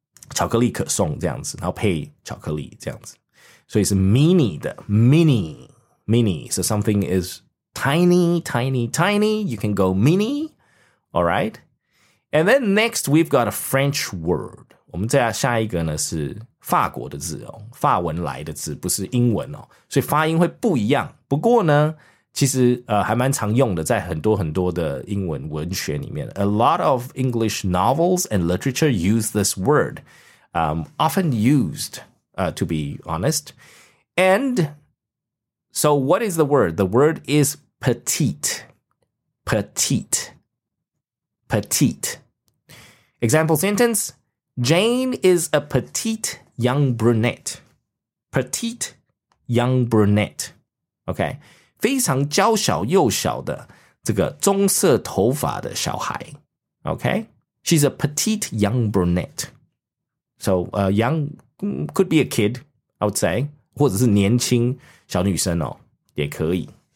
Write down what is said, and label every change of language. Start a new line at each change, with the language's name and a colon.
Chinese: 巧克力可颂这样子，然后配巧克力这样子，所以是 mini 的 mini mini.
English: So something is tiny, tiny, tiny. You can go mini, all right. And then next we've got a French word.
Chinese: 我们再下一个呢是法国的字哦，法文来的字，不是英文哦，所以发音会不一样。不过呢，其实还蛮常用的，在很多很多的英文文学里面
English: ，a lot of English novels and literature use this word, often used, to be honest. And so, what is the word? The word is petite, petite, petite. Example sentence: Jane is a petite young brunette. Petite young brunette. Okay.
Chinese: 非常娇小又小的这个棕色头发的小孩 okay?
English: She's a petite young brunette. So young could be a kid, I would say.
Chinese: 或者是年轻小女生哦，也可以。